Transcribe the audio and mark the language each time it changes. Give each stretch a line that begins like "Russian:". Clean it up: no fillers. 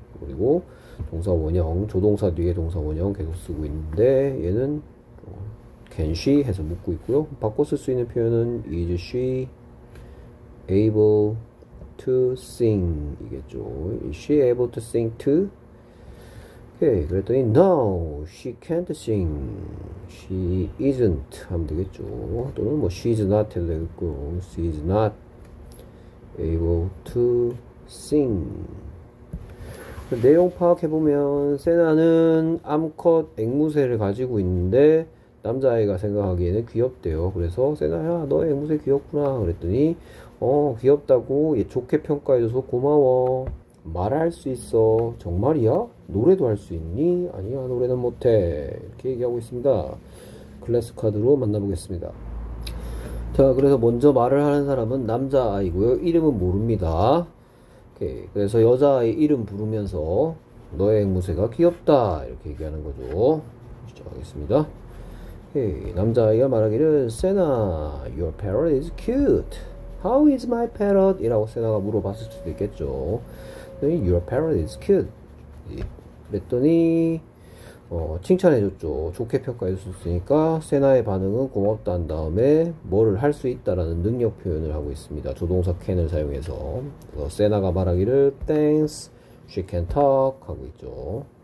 Korean: 그리고 동사 원형, 조동사 뒤에 동사 원형 계속 쓰고 있는데 얘는 can she 해서 묻고 있고요. 바꿔 쓸수 있는 표현은
English: is she able to sing
Korean: 이겠죠.
English: Is she able to sing too? 오케이. 그랬더니 no, she can't sing. She isn't
Korean: 하면 되겠죠. 또는 뭐
English: she's not
Korean: 해도 되겠고
English: she's not able to sing.
Korean: 내용 파악해보면, 세나는 암컷 앵무새를 가지고 있는데, 남자아이가 생각하기에는 귀엽대요. 그래서 세나야 너 앵무새 귀엽구나 그랬더니 귀엽다고 얘 좋게 평가해줘서 고마워. 말할 수 있어. 정말이야? 노래도 할수 있니? 아니야 노래는 못해. 이렇게 얘기하고 있습니다. 클래스 카드로 만나보겠습니다. 자, 그래서 먼저 말을 하는 사람은 남자아이고요. 이름은 모릅니다. 오케이. 그래서 여자아이 이름 부르면서 너의 앵무새가 귀엽다 이렇게 얘기하는 거죠. 시작하겠습니다. 오케이. 남자아이가 말하기를 세나,
English: your parrot is cute. How is my parrot?
Korean: 이라고 세나가 물어봤을 수도 있겠죠.
English: Your parrot is cute.
Korean: 그랬더니 칭찬해줬죠. 좋게 평가해줬으니까 세나의 반응은 고맙다는 다음에 뭐를 할수 있다라는 능력 표현을 하고 있습니다. 조동사 can을 사용해서. 그래서 세나가 말하기를
English: thanks, she can talk
Korean: 하고 있죠.